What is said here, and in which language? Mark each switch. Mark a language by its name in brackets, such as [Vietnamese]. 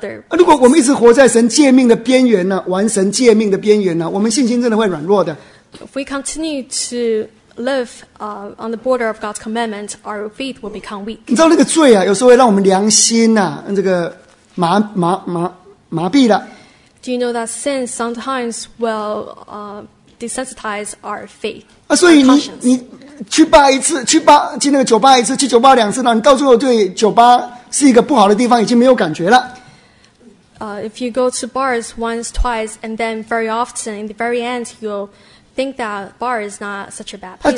[Chinese] 如果我们一直活在神诫命的边缘呢，玩神诫命的边缘呢，我们信心真的会软弱的。 [English] If we continue to live on the border of God's commandment, our faith will become weak. [Chinese] 你知道那个罪啊，有时候会让我们良心啊，这个麻痹了。 [English] Do you know that sin sometimes will desensitize our faith? [Chinese] 所以你去吧一次，去那个酒吧一次，去酒吧两次，你到最后对酒吧是一个不好的地方，已经没有感觉了。 [English] If you go to bars once, twice, and then very often, in the very end, you'll think that bar is not such a bad place.